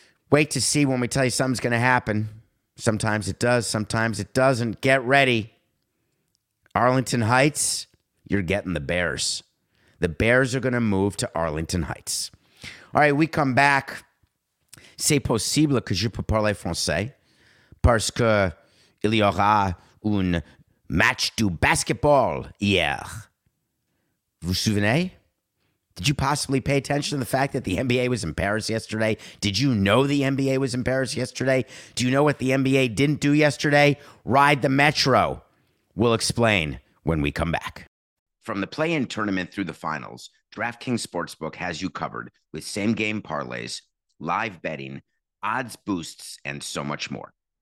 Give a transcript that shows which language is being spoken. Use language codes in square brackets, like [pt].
[en] Wait to see when we tell you something's going to happen. Sometimes it does, sometimes it doesn't. Get ready. Arlington Heights, you're getting the Bears. The Bears are going to move to Arlington Heights. All right, we come back. [fr] C'est possible que je peux parler français parce que il y aura un match du basketball hier. Vous souvenez? [en] Did you possibly pay attention to the fact that the NBA was in Paris yesterday? Did you know the NBA was in Paris yesterday? Do you know what the NBA didn't do yesterday? Ride the Metro. We'll explain when we come back. From the play-in tournament through the finals, DraftKings Sportsbook has you covered with same-game parlays, live betting, odds boosts, and so much more.